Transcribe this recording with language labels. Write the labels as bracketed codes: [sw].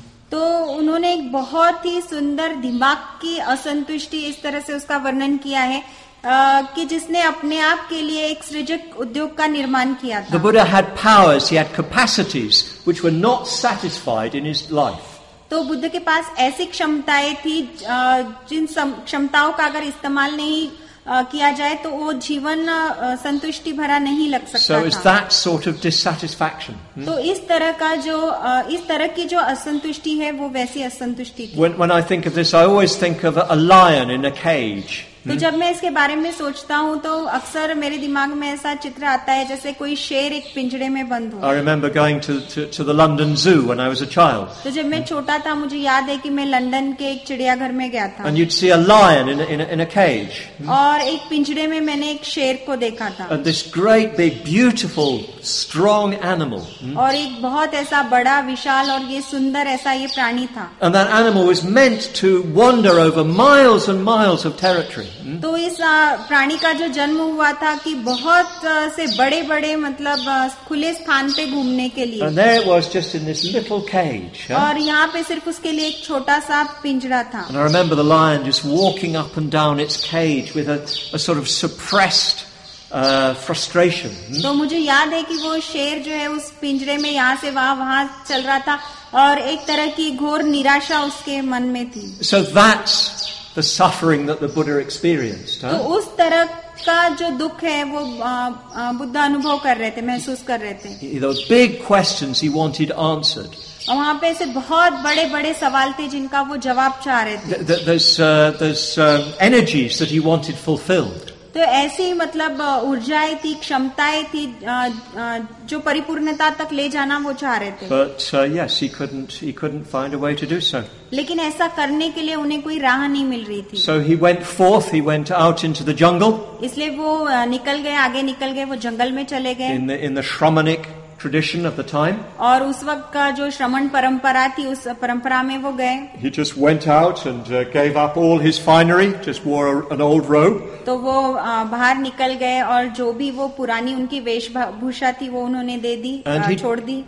[hi] तो उन्होंने एक बहुत ही सुंदर दिमाग की असंतुष्टि इस तरह से उसका वर्णन किया है कि जिसने अपने आप के लिए एक सृजक उद्योग का निर्माण किया था [en] The Buddha had powers, he had capacities which were not satisfied in his life. [hi] तो बुद्ध के पास ऐसी क्षमताएं थी जिन क्षमताओं का अगर इस्तेमाल नहीं किया जाए तो वो जीवन संतुष्टि भरा नहीं लग सकता [en] So it's that sort of dissatisfaction. [hi] तो इस तरह की जो असंतुष्टि है वो वैसी असंतुष्टि थी [en] When I think of this, I always think of a lion in a cage. [hi] तो जब मैं इसके बारे में सोचता हूँ तो अक्सर मेरे दिमाग में ऐसा चित्र आता है जैसे कोई शेर एक पिंजरे में बंद हो [en] I remember going to the London Zoo when I was a child. [hi] तो जब मैं छोटा था मुझे याद है कि मैं लंदन के एक चिड़ियाघर में गया था [en] And you'd see a lion in a cage. [hi] और एक पिंजरे में मैंने एक शेर को देखा था [en] And this great big beautiful strong animal. [hi] और एक बहुत ऐसा बड़ा विशाल और ये सुंदर ऐसा ये प्राणी था [en] And that animal was meant to wander over miles and miles of territory. [hi] तो इस प्राणी का जो जन्म हुआ था कि बहुत से बड़े बड़े मतलब खुले स्थान पे घूमने के लिए [en] And there it was just in this little cage, huh? [hi] और यहाँ पे सिर्फ उसके लिए एक छोटा सा पिंजरा था [en] And I remember the lion just walking up and down its cage with a sort of suppressed frustration. [hi] तो मुझे याद है कि वो शेर जो है उस पिंजरे में यहाँ से वहाँ वहाँ चल रहा था और एक तरह की घोर निराशा उसके मन में थी [en] So that's the suffering that the Buddha experienced. [hi] तो उस तरह का जो दुख है वो बुद्ध अनुभव कर रहे थे महसूस कर रहे थे [en] Those big questions he wanted answered. [hi] और वहाँ पे ऐसे बहुत बड़े बड़े सवाल थे जिनका वो जवाब चाह रहे थे [en] energies that he wanted fulfilled. [hi] तो ऐसी मतलब ऊर्जाएं थी क्षमताएं थी जो परिपूर्णता तक ले जाना वो चाह रहे थे [en] But, yes, he couldn't find a way to do so. [hi] लेकिन ऐसा करने के लिए उन्हें कोई राह नहीं मिल रही थी [en] So he went forth, he went out into the jungle. [hi] इसलिए वो निकल गए आगे निकल गए वो जंगल में चले गए [en] in the Shramanic tradition of the time. [hi] और उस वक्त का जो श्रमण परंपरा थी उस परंपरा में वो गए [en] He just went out and gave up all his finery, just wore an old robe. [hi] तो वो बाहर निकल गए और जो भी वो पुरानी उनकी वेशभूषा थी वो उन्होंने दे दी छोड़ दी